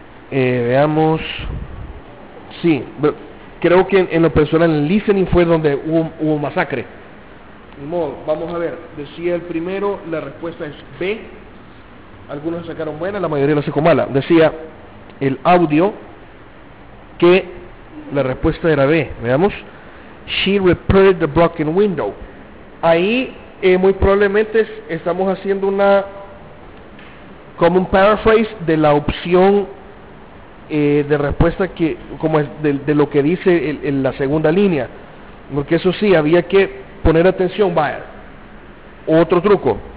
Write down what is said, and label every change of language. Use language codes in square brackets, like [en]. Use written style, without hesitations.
[es] Veamos, sí, creo que en lo personal, en listening fue donde hubo masacre. Ni modo, vamos a ver, decía el primero, la respuesta es B. Algunos sacaron buena, la mayoría la sacó mala. Decía el audio que la respuesta era B. Veamos. [en] She repaired the broken window. [es] Ahí muy probablemente estamos haciendo una como un paraphrase de la opción de respuesta que como es de lo que dice en la segunda línea. Porque eso sí, había que poner atención. Vaya. Otro truco.